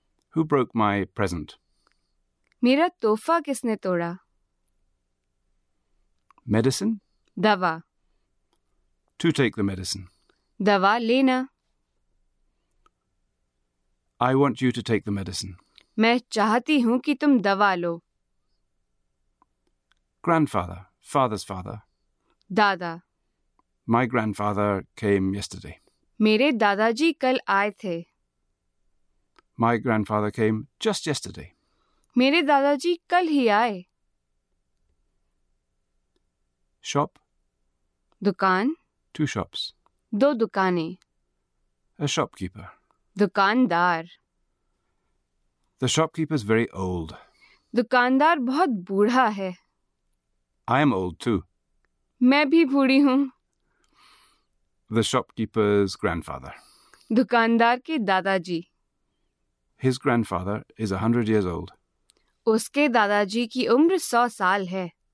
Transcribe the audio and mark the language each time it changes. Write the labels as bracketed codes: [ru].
[en] Who broke my present? [hi] मेरा तोहफा किसने तोड़ा? [en] Medicine? [hi] दवा. [en] To take the medicine. [hi] दवा लेना. [en] I want you to take the medicine. [hi] मैं चाहती हूँ कि तुम दवा लो. [en] Grandfather, father's father. [hi] दादा. [en] My grandfather came yesterday. [hi] मेरे दादाजी कल आए थे. [en] My grandfather came just yesterday. [hi] मेरे दादाजी कल ही आए. [en] Shop. [hi] दुकान. [en] Two shops. [hi] दो दुकानें. [en] A shopkeeper. [hi] दुकानदार. [en] The shopkeeper is very old. [hi] दुकानदार बहुत बूढ़ा है. [en] I am old too. [hi] मैं भी बूढ़ी हूँ. [en] The shopkeeper's grandfather. [hi] दुकानदार के दादाजी. [en] His grandfather is 100 years old. [hi] उसके दादाजी की उम्र 100 साल है.